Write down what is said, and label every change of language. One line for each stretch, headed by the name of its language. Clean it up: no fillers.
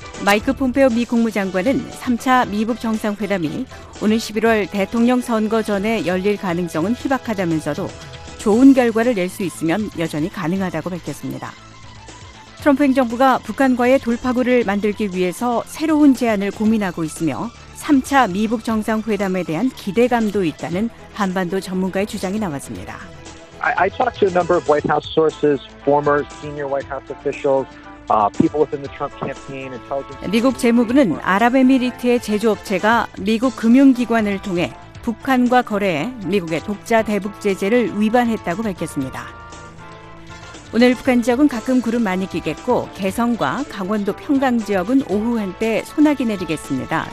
Korean: 마이크 폼페오 미 국무장관은 3차 미북 정상회담이 오는 11월 대통령 선거 전에 열릴 가능성은 희박하다면서도 좋은 결과를 낼 수 있으면 여전히 가능하다고 밝혔습니다. 트럼프 행정부가 북한과의 돌파구를 만들기 위해서 새로운 제안을 고민하고 있으며 3차 미북 정상회담에 대한 기대감도 있다는 한반도 전문가의 주장이 나왔습니다.
English: I talked to a number of White House sources, former senior White House officials, people within the Trump campaign, intelligence.
Korean: 미국 재무부는 아랍에미리트의 제조업체가 미국 금융기관을 통해 북한과 거래해 미국의 독자 대북 제재를 위반했다고 밝혔습니다. 오늘 북한 지역은 가끔 구름 많이 끼겠고 개성과 강원도 평강 지역은 오후 한때 소나기 내리겠습니다.